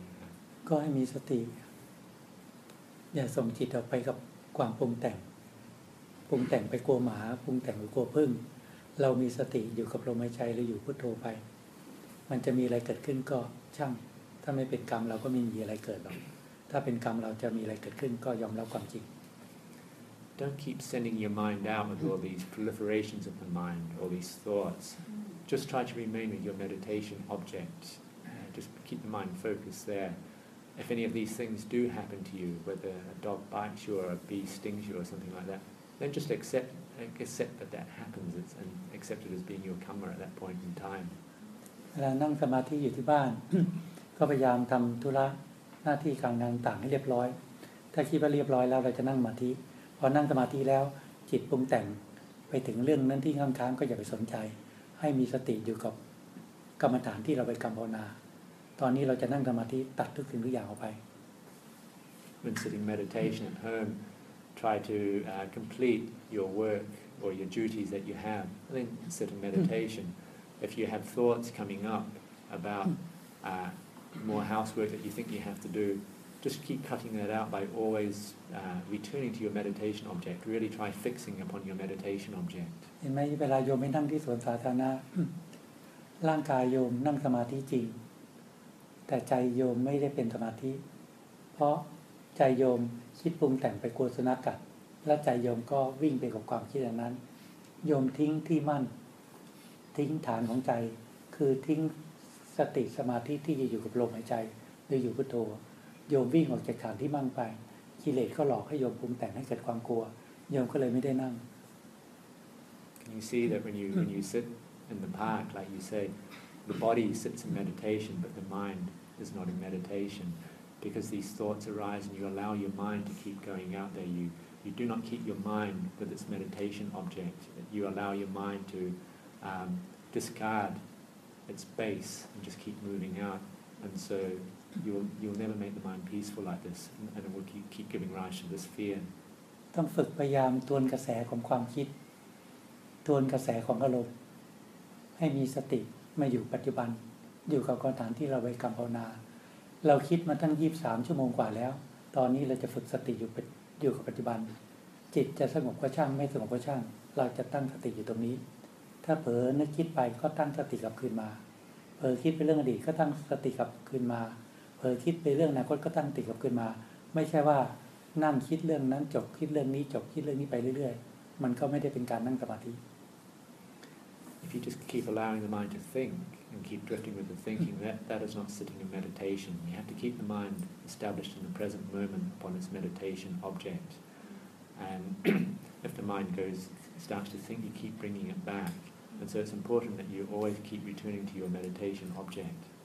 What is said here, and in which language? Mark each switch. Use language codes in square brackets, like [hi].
[th] ก็ให้มีสติอย่าส่งจิตออกไปกับความปรุงแต่งไปกลัวหมาปรุงแต่งไปกลัวพึ่งเรามีสติอยู่กับลมหายใจหรืออยู่พุทโธไปมันจะมีอะไรเกิดขึ้นก็ช่างถ้าไม่เป็นกรรมเราก็ไม่มีอะไรเกิดหรอกถ้าเป็นกรรมเราจะมีอะไรเกิดขึ้นก็ยอมรับความจริง [en] Don't keep sending your mind down with all these proliferations of the mind, all these thoughts. Just try to remain with your meditation object. Just keep the mind focused there. If any of these things do happen to you, whether a dog bites you or a bee stings you or something like that, then just accept that that happens and accept it as being your karma at that point in time. [th] เวลานั่งสมาธิอยู่ที่บ้านก็พยายามทำธุระหน้าที่การงานต่างให้เรียบร้อยถ้าคิดว่าเรียบร้อยแล้วเราจะนั่งสมาธิพอนั่งสมาธิแล้วจิตปรุงแต่งไปถึงเรื่องนั้นที่ค้างๆก็อย่าไปสนใจให้มีสติอยู่กับกรรมฐานที่เราไปกำหนดตอนนี้เราจะนั่งสมาธิตัดทุกสิ่งทุกอย่างออกไป [en] When sitting meditation at home try to complete your work or your duties that you have then sit in meditation If you have thoughts coming up about more housework that you think you have to do, just keep cutting that out by always returning to your meditation object. Really try fixing upon your meditation object. [th] เห็นไหมเวลาโยมไม่นั่งที่สวนสาธารณะร่างกายโยมนั่งสมาธิจริงแต่ใจโยมไม่ได้เป็นสมาธิเพราะใจโยมคิดปรุงแต่งไปกลัวสุนัขกัดและใจโยมก็วิ่งไปกับความคิดนั้นโยมทิ้งที่มั่นทิ้งฐานของใจคือทิ้งสติสมาธิที่จะอยู่กับลมหายใจหรืออยู่พุทโธโยมวิ่งออกจากฐานที่มั่งไปกิเลสก็หลอกให้โยมปรุงแต่งให้เกิดความกลัวโยมก็เลยไม่ได้นั่ง [en] Can you see that when you sit in the park like you say the body sits in meditation, but the mind is not in meditation. Because these thoughts arise and you allow your mind to keep going out there, you do not keep your mind with its meditation object. You allow your mind to discard its base and just keep moving out. And so you'll never make the mind peaceful like this, and it will keep giving rise to this fear. [th] ต้องฝึกพยายามทวนกระแสของความคิดทวนกระแสของอารมณ์ให้มีสติมาอยู่ปัจจุบันอยู่กับกรรมฐานที่เราไปกรรมภาวนา เราคิดมาตั้ง23ชั่วโมงกว่าแล้วตอนนี้เราจะฝึกสติอยู่กับปัจจุบันจิตจะสงบก็ช่างไม่สงบก็ช่างเราจะตั้งสติอยู่ตรงนี้ถ้าเผลอนึกคิดไปก็ตั้งสติกลับคืนมาเผลอคิดไปเรื่องอดีตก็ตั้งสติกลับคืนมาเผลอคิดไปเรื่องอนาคตก็ตั้งสติกลับคืนมาไม่ใช่ว่านั่งคิดเรื่องนั้นจบคิดเรื่องนี้จบคิดเรื่องนี้ไปเรื่อยๆมันก็ไม่ได้เป็นการนั่งสมาธิ [en] If you just keep allowing the mind to think and keep drifting with the thinking that is not sitting in meditation you have to keep the mind established in the present moment upon its meditation object and if the mind starts to think you keep bringing it back and so it's important that you always keep returning to your meditation object